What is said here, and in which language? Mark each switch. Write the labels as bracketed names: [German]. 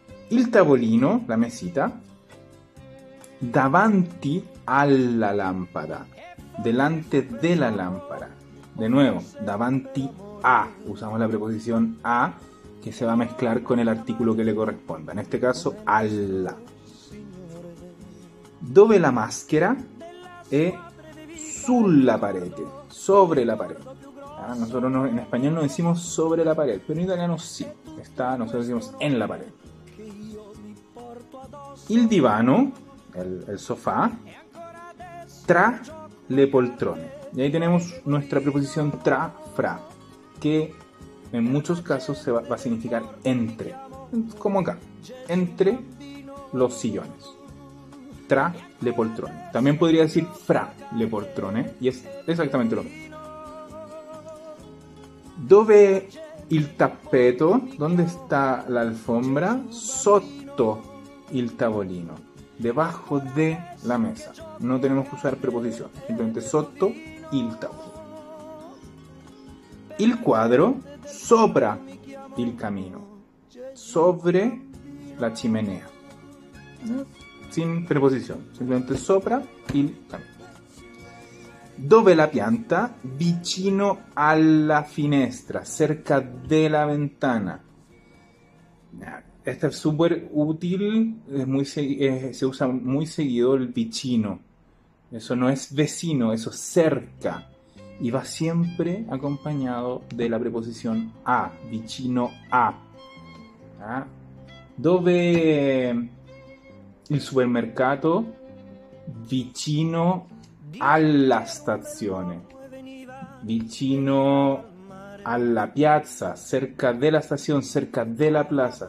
[Italian] Il tavolino, [Spanish] la mesita, [Italian] davanti alla lámpara, [Spanish] delante de la lámpara. De nuevo, davanti a, usamos la preposición a, que se va a mezclar con el artículo que le corresponda. En este caso, alla. [Italian] Dove la máscara è sulla parete, [Spanish] sobre la pared. Nosotros en español no decimos sobre la pared, pero en italiano sí, está, nosotros decimos en la pared. [Italian] Il divano, [Spanish] el sofá, [Italian] tra le poltrone. [Spanish] Y ahí tenemos nuestra preposición tra, fra, que en muchos casos se va a significar entre. Como acá, entre los sillones. Tra le poltrone. También podría decir fra le poltrone, y es exactamente lo mismo. [Italian] Dove il tappeto, [Spanish] ¿dónde está la alfombra? [Italian] Sotto il tavolino, [Spanish] debajo de la mesa. No tenemos que usar preposición, simplemente sotto il tavolino. [Italian] Il cuadro, sopra il camino, [Spanish] sobre la chimenea. Sin preposición, simplemente sopra il camino. [Italian] Dove la pianta, vicino alla finestra, [Spanish] cerca de la ventana. Esta es súper útil, se usa muy seguido el vicino. Eso no es vecino, eso es cerca. Y va siempre acompañado de la preposición a, vicino a. [Italian] ¿Ah? Dove il supermercato, vicino alla stazione, vicino a la piazza, [Spanish] cerca de la estación, cerca de la plaza.